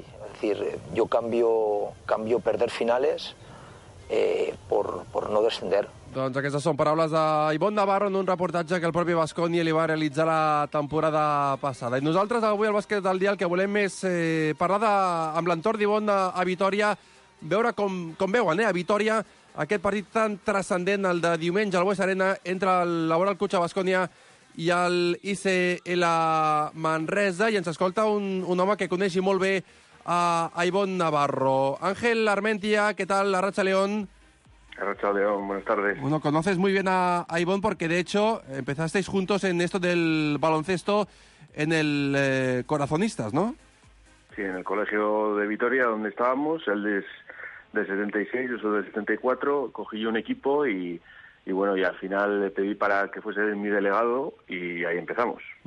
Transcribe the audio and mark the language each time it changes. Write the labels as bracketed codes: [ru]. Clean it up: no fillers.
[es] Es decir, yo cambio perder finales por no descender. [ca] Doncs aquestes són paraules d'Ivon Navarro en un reportatge que el propi Baskonia li va realitzar la temporada passada. I nosaltres avui al Bàsquet del Dia el que volem és parlar amb l'entorn d'Ivon a Vitoria, veure com veuen a Vitoria aquest partit tan transcendent, el de diumenge al West Arena, entre el Cucha Baskonia i el ICL Manresa. I ens escolta un home que coneixi molt bé a Ivon Navarro. Ángel Armentia, què tal? Arracha León. [es] Arracha León, buenas tardes. Bueno, conoces muy bien a Ivon porque, de hecho, empezasteis juntos en esto del baloncesto en el Corazonistas, ¿no? Sí, en el Colegio de Vitoria, donde estábamos, el de 76, yo soy del 74, cogí yo un equipo y bueno, y al final le pedí para que fuese mi delegado y ahí empezamos.